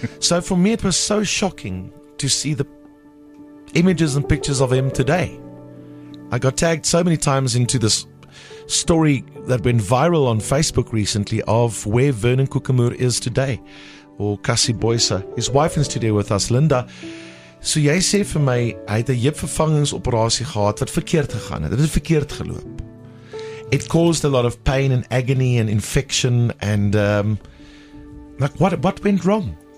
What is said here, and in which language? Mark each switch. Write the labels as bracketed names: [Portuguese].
[English] So for me, it was so shocking to see the images and pictures of him today. I got tagged so many times into this story that went viral on Facebook recently of where Vernon Kukumoor is today, or Cassie Boyce. His wife is today with us, Linda. [Afrikaans] So jy sê vir my, hy het 'n heupvervangingsoperasie gehad wat verkeerd gegaan het. Dit het verkeerd geloop. [English] It caused a lot of pain and agony and infection and what went wrong?